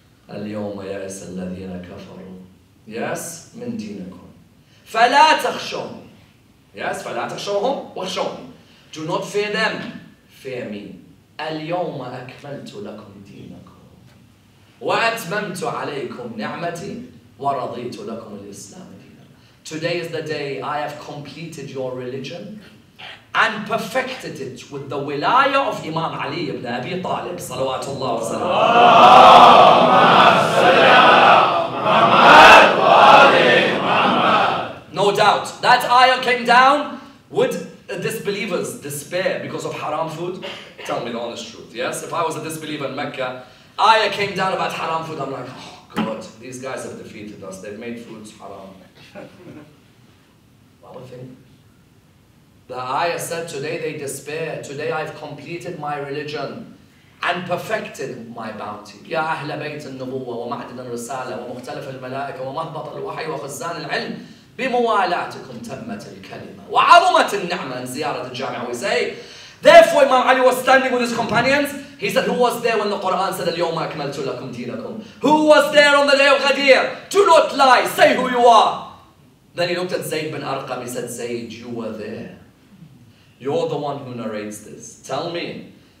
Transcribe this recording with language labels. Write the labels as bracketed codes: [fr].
[ar] اليوم يائس الذين كفروا يس من دينكم فلا تخشوهم يس فلا تخشوهم واخشوهم [en] do not fear them fear me [ar] اليوم أكملت لكم دينكم وأتممت عليكم نعمتي ورضيت لكم الإسلام دينا [en] today is the day I have completed your religion and perfected it with the wilaya of Imam Ali ibn Abi Talib [ar] صلوات الله وسلام اللهم صل على محمد وآل محمد [en] no doubt that ayah came down would disbelievers despair because of haram food tell me the honest truth yes if I was a disbeliever in Mecca ayah came down about haram food I'm like oh God these guys have defeated us they've made foods haram what a thing The ayah said, today they despair. Today I've completed my religion and perfected my bounty. [ar] يا أهل بيت النبوة ومعدن الرسالة ومختلف الملائكة ومهبط الوحي وخزان العلم بموالاتكم تمت الكلمة وعظمت النعمة in زيارة الجامعة. [en] We say, therefore Imam Ali was standing with his companions. He said, who was there when the Quran said, [ar] اليوم أكملت لكم دينكم? [en] Who was there on the day of Ghadir? Do not lie. Say who you are. Then he looked at Zayd bin Arqam. He said, Zayd, you were there. You're the one who narrates this. Tell me.